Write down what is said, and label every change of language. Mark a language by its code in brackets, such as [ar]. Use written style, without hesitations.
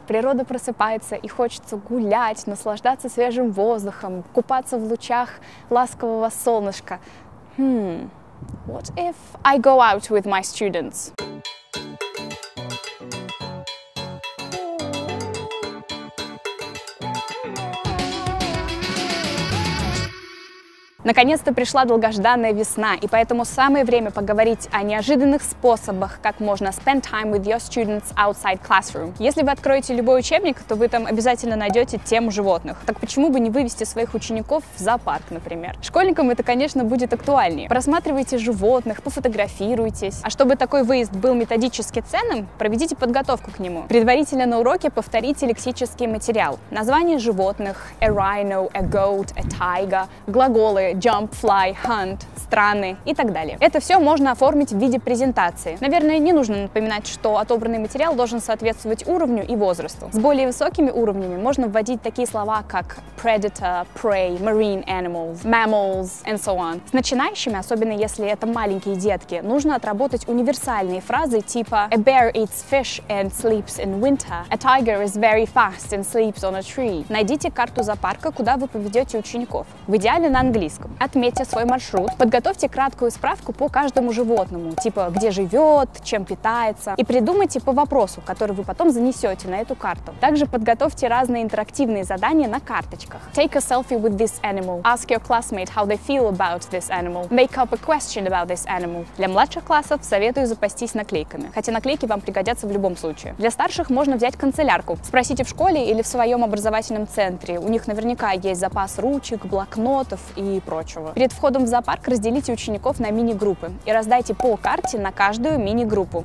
[ru] Природа просыпается и хочется гулять, наслаждаться свежим воздухом, купаться в лучах ласкового солнышка. [en] What if I go out with my students? [ru] Наконец-то пришла долгожданная весна, и поэтому самое время поговорить о неожиданных способах, как можно [en] spend time with your students outside classroom. [ru] Если вы откроете любой учебник, то вы там обязательно найдете тему животных. Так почему бы не вывести своих учеников в зоопарк, например? Школьникам это, конечно, будет актуальнее. Просматривайте животных, пофотографируйтесь. А чтобы такой выезд был методически ценным, проведите подготовку к нему. Предварительно на уроке повторите лексический материал. Название животных – [en] a rhino, a goat, a tiger, [ru] глаголы. [en] Jump, fly, hunt, [ru] страны и так далее. Это все можно оформить в виде презентации. Наверное, не нужно напоминать, что отобранный материал должен соответствовать уровню и возрасту. С более высокими уровнями можно вводить такие слова, как [en] predator, prey, marine animals, mammals and so on. [ru] С начинающими, особенно если это маленькие детки, нужно отработать универсальные фразы типа [en] a bear eats fish and sleeps in winter, a tiger is very fast and sleeps on a tree. [ru] Найдите карту зоопарка, куда вы поведете учеников. В идеале на английском. Отметьте свой маршрут, подготовьте краткую справку по каждому животному, типа где живет, чем питается, и придумайте по вопросу, который вы потом занесете на эту карту. Также подготовьте разные интерактивные задания на карточках. [en] Take a selfie with this animal. Ask your classmate how they feel about this animal. Make up a question about this animal. [ru] Для младших классов советую запастись наклейками, хотя наклейки вам пригодятся в любом случае. Для старших можно взять канцелярку. Спросите в школе или в своем образовательном центре. У них наверняка есть запас ручек, блокнотов и прочего. Перед входом в зоопарк разделите учеников на мини-группы и раздайте по карте на каждую мини-группу.